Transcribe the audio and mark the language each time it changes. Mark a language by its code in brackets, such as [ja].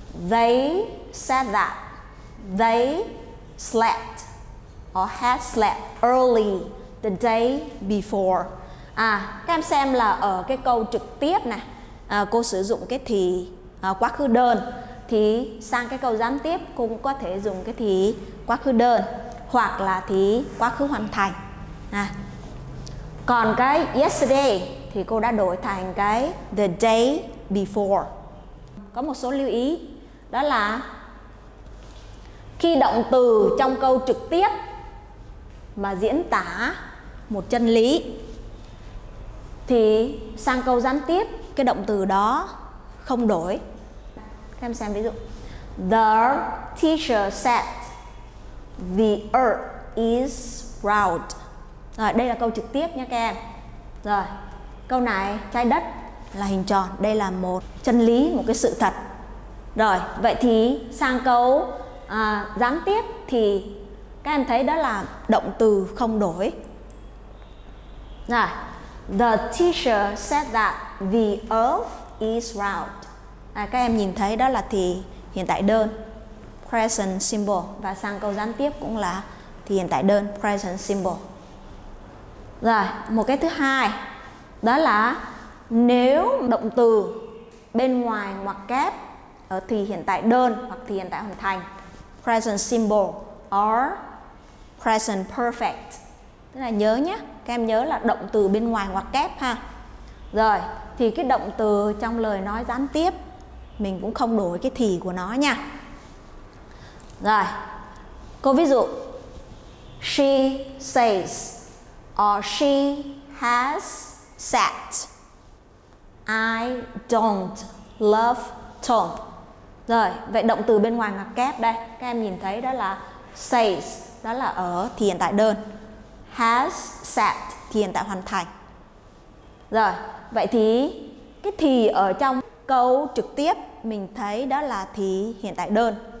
[en] They said that they slept or had slept early the day before. [vi] À, các em xem là ở cái câu trực tiếp này, cô sử dụng cái thì quá khứ đơn, thì sang cái câu gián tiếp cô cũng có thể dùng cái thì quá khứ đơn hoặc là thì quá khứ hoàn thành. À, còn cái yesterday thì cô đã đổi thành cái [en] the day before. [vi] Có một số lưu ý, đó là khi động từ trong câu trực tiếp mà diễn tả một chân lý thì sang câu gián tiếp cái động từ đó không đổi. Các em xem ví dụ. [en] The teacher said the earth is round. [vi] Rồi, đây là câu trực tiếp nha các em. Rồi, câu này trái đất là hình tròn. Đây là một chân lý, một cái sự thật. Rồi, vậy thì sang câu gián tiếp thì các em thấy đó là động từ không đổi. [en] Rồi, the teacher said that the earth is round. [vi] À, các em nhìn thấy đó là thì hiện tại đơn, [en] present symbol. [vi] Và sang câu gián tiếp cũng là thì hiện tại đơn, [en] present symbol. [vi] Rồi, một cái thứ hai, đó là nếu động từ bên ngoài ngoặc kép ở thì hiện tại đơn hoặc thì hiện tại hoàn thành, [en] present symbol or present perfect. [vi] Tức là nhớ nhé, các em nhớ là động từ bên ngoài ngoặc kép ha. Rồi, thì cái động từ trong lời nói gián tiếp mình cũng không đổi cái thì của nó nha. Rồi, câu ví dụ. [en] She says or she has said I don't love Tom. [vi] Rồi, vậy động từ bên ngoài ngoặc kép đây, các em nhìn thấy đó là says, đó là ở thì hiện tại đơn. [en] Has said [vi] thì hiện tại hoàn thành. Rồi, vậy thì cái thì ở trong câu trực tiếp mình thấy đó là thì hiện tại đơn.